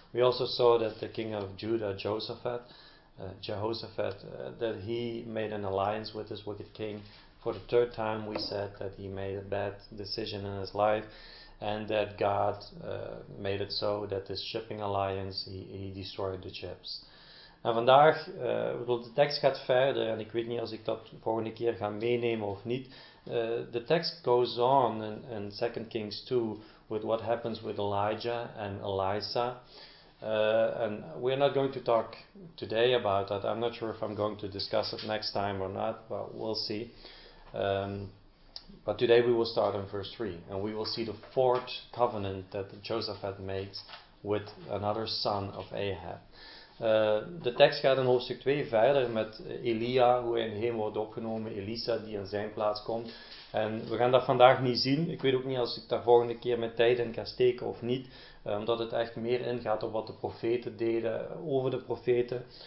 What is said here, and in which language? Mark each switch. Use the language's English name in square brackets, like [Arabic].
[English] We also saw that the king of Judah, Jehoshaphat, that he made an alliance with this wicked king. For the third time, we said that he made a bad decision in his life, and that God made it so that this shipping alliance, he destroyed the ships. [Dutch] En vandaag, de tekst gaat verder, en ik weet niet als ik dat volgende keer ga meenemen of niet. [English] The text goes on in 2 Kings 2 with what happens with Elijah and Elisha. And we're not going to talk today about that. I'm not sure if I'm going to discuss it next time or not, but we'll see. But today we will start in verse 3, and we will see the fourth covenant that Joseph had made with another son of Ahab. [Dutch] De tekst gaat in hoofdstuk 2 verder met Elia, hoe hij in hem wordt opgenomen, Elisa die in zijn plaats komt. En we gaan dat vandaag niet zien. Ik weet ook niet als ik daar volgende keer mijn tijd in kan steken of niet. Omdat het echt meer ingaat op wat de profeten deden over de profeten.